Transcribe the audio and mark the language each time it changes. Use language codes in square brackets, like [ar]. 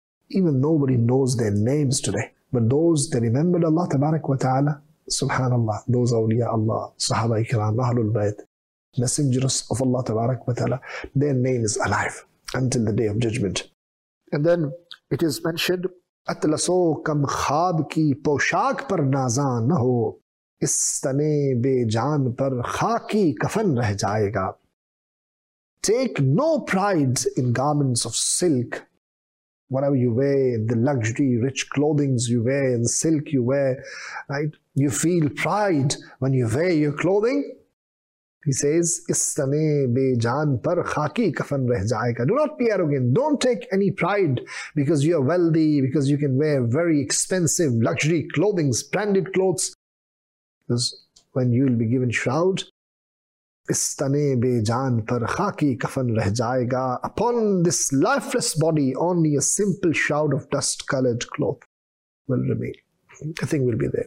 [en] Even nobody knows their names today. But those, they remembered Allah Tabarak wa Ta'ala. Subhanallah, those awliya Allah, Sahaba Ikram, Ahlul Bayt. Messengers of Allah Tabarak wa Ta'ala, their name is alive until the day of judgment. And then it is mentioned [ur] اطلسو کم خواب کی پوشاک پر نازاں نہ ہو، اس تنے بے جان پر خاکی کفن رہ جائے گا. [en] Take no pride in garments of silk, whatever you wear, the luxury rich clothings you wear, the silk you wear, right? You feel pride when you wear your clothing. He says, [ur] اس تنے بے جان پر خاکی کفن رہ جائے گا. [en] Do not be arrogant. Don't take any pride because you are wealthy, because you can wear very expensive luxury clothing, branded clothes. Because when you will be given shroud, [ur] اس تنے بے جان پر خاکی کفن رہ جائے گا. [en] Upon this lifeless body, only a simple shroud of dust-colored cloth will remain. A thing will be there.